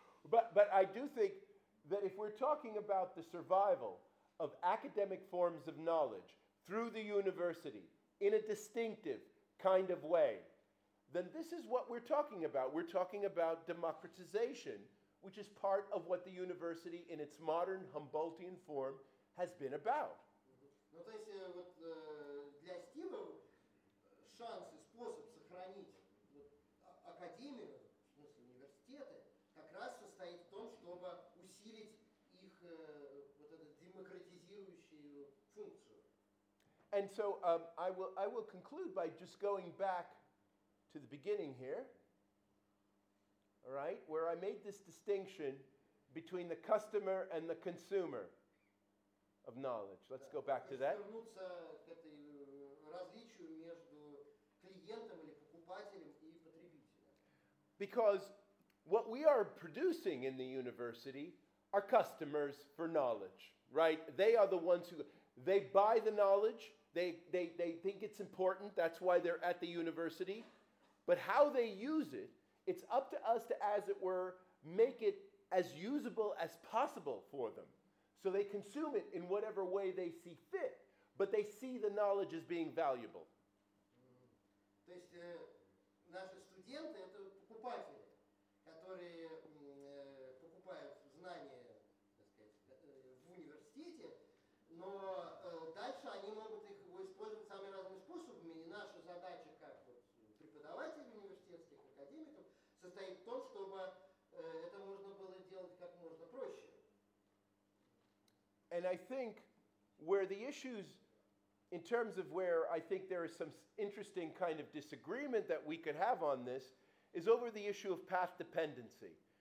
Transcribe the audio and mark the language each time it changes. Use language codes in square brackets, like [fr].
[en] But I do think that if we're talking about the survival of academic forms of knowledge through the university, in a distinctive kind of way, then this is what we're talking about. We're talking about democratization, which is part of what the university in its modern Humboldtian form has been about. [ru] Ну, то есть, вот, для Стива шанс и способ сохранить академию, в смысле университеты, как раз состоит в том, чтобы усилить их вот эту демократизирующую функцию. [en] And so I will conclude by just going back to the beginning here, all right, where I made this distinction between the customer and the consumer of knowledge. Let's go back to that. [ru] Вернуться к этому различию между клиентом или покупателем и потребителем. [en] Because what we are producing in the university are customers for knowledge, right? They are the ones who, they buy the knowledge. They think it's important, that's why they're at the university. But how they use it, it's up to us to, as it were, make it as usable as possible for them. So they consume it in whatever way they see fit, but they see the knowledge as being valuable. [ru] То есть наши студенты — это покупатели, которые покупают знания, так сказать, в университете, но дальше они могут их использовать самыми разными способами, и наша задача как преподавателей университетских, академиков, состоит в том, чтобы это можно было делать как можно проще. [en] And I think where the issues, in terms of where I think there is some interesting kind of disagreement that we could have on this, is over the issue of path dependency.